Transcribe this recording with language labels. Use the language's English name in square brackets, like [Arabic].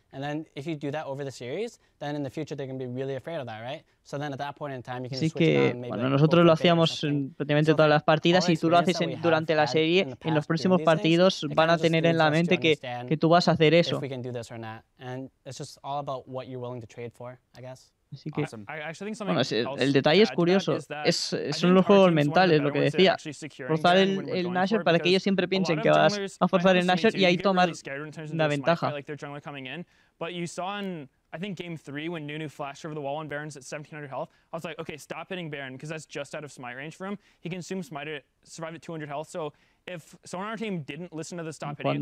[English] And then if you do that over the series, then in the future they're going to be really afraid of that, right? So then at that point in time you can switch down maybe. [Spanish] Bueno, nosotros lo hacíamos en prácticamente todas las partidas y tú lo haces durante la serie, en los próximos partidos van a tener en la mente que tú vas a hacer eso. [English] And it's just all about what you're willing to trade for, I guess. [Spanish] Así que, bueno, el detalle es curioso, son los juegos mentales, lo que decía, forzar el Nashor para que ellos siempre piensen que vas a forzar el Nashor y ahí tomar la ventaja. [English] But you saw in, I think, game 3 when Nunu flashed over the wall and Baron's at 1700 health, I was like, okay, stop hitting Baron, because that's just out of smite range for him. He consumed smite, survived at 200 health, so if someone on our team didn't listen to the stop hitting